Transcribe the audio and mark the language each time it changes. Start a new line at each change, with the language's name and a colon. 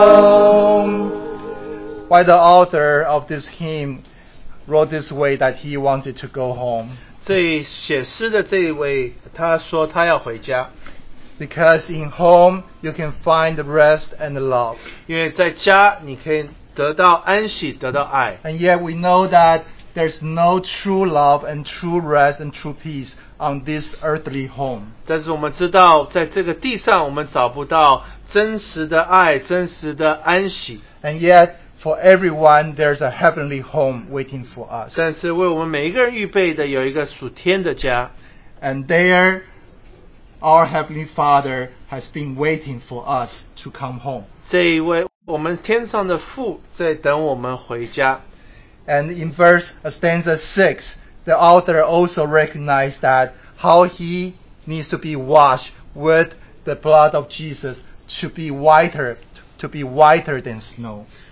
English: Why the author of this hymn wrote this way that he wanted to go home?
Chinese: 这写诗的这一位, 他说他要回家.
English: Because in home you can find rest and love.
Chinese: 因为在家你可以得到安息, 得到爱.
English: And yet we know that There's no true love and true rest and true peace on this earthly home.
Chinese: 但是我们知道，在这个地上，我们找不到真实的爱、真实的安息。
English: And yet, for everyone, there's a heavenly home waiting for us.
Chinese: 但是为我们每一个人预备的有一个属天的家。
English: And there, our heavenly Father has been waiting for us to come home.
Chinese: 这一位我们天上的父在等我们回家。
English: And in verse stanza 6, the author also recognized that how he needs to be washed with the blood of Jesus to be whiter than snow.